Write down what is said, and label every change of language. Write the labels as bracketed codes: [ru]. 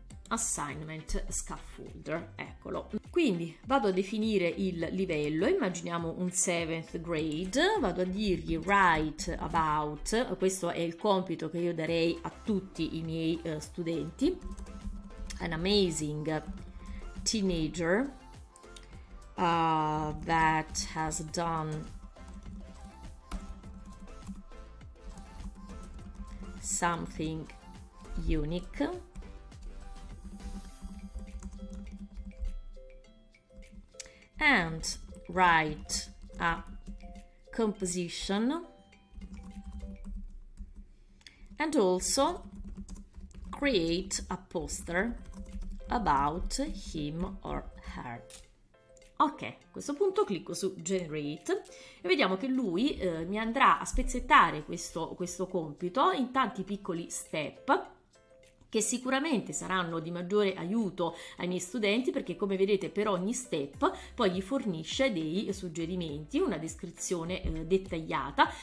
[it] Assignment scaffolder, eccolo. Quindi vado a definire il livello, immaginiamo un 7th grade, vado a dirgli [en] write about, [it] questo è il compito che io darei a tutti i miei studenti, [en] an amazing teenager that has done something unique. And write a composition and also create a poster about him or her. [it] Ok, a questo punto clicco su Generate e vediamo che lui mi andrà a spezzettare questo compito in tanti piccoli step, che sicuramente saranno di maggiore aiuto ai miei studenti, perché come vedete per ogni step poi gli fornisce dei suggerimenti, una descrizione dettagliata.